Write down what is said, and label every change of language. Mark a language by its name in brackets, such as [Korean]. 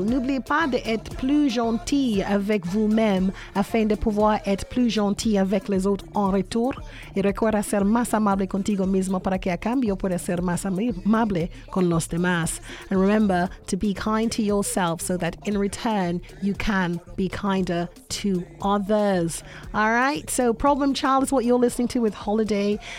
[French] N'oubliez pas d'être plus gentil avec vous-même afin de pouvoir être plus gentil avec les autres en retour. [Spanish] Y recuerda ser más amable contigo mismo para que a cambio pueda ser más amable con los demás. [English] And remember to be kind to yourself so that in return you can be kinder to others. All right, so Problem Child is what you're listening to with Holiday.